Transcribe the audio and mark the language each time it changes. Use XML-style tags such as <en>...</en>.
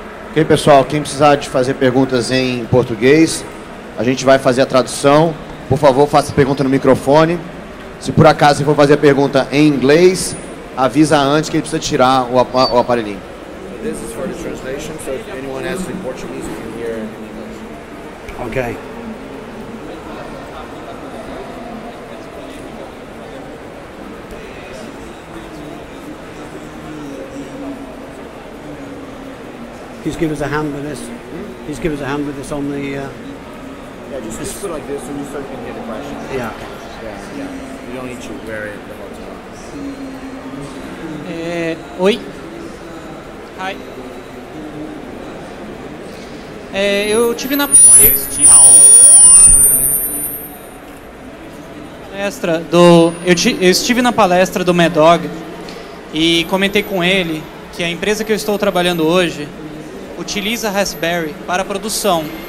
<pt>Ok, pessoal, quem precisar de fazer perguntas em português, a gente vai fazer a tradução. Por favor, faça a pergunta no microfone. Se por acaso você for fazer a pergunta em inglês, avisa antes que ele precisa tirar o aparelhinho.</pt> <en>This is for the translation, so if anyone asks in Portuguese, you can hear in English. Ok. He's given us a hand with this. Mm-hmm. He's given us a hand with this on the... Yeah, just put it like this and you start getting the questions. Yeah. Yeah. You don't need to wear it the whole time.</en> <pt>Oi.</pt> <en>Hi.</en> <pt>Eu tive na palestra do eu estive na palestra do Mad Dog e comentei com ele que a empresa que eu estou trabalhando hoje utiliza Raspberry para produção.</pt>